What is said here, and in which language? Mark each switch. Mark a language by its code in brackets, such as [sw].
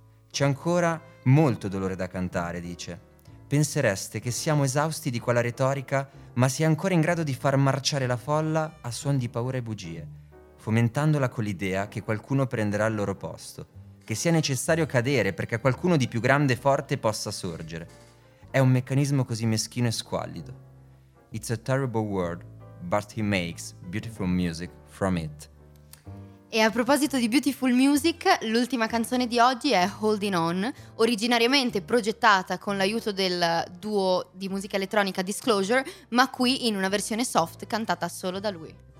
[it] C'è ancora molto dolore da cantare, dice. Pensereste che siamo esausti di quella retorica, ma si è ancora in grado di far marciare la folla a suon di paura e bugie, fomentandola con l'idea che qualcuno prenderà il loro posto, che sia necessario cadere perché qualcuno di più grande e forte possa sorgere. È un meccanismo così meschino e squallido. [en] It's a terrible world, but he makes beautiful music from it. [it] E a proposito di [en] beautiful music, [it] l'ultima canzone di oggi è Holding On, originariamente progettata con l'aiuto del duo di musica elettronica Disclosure, ma qui in una versione soft cantata solo da lui.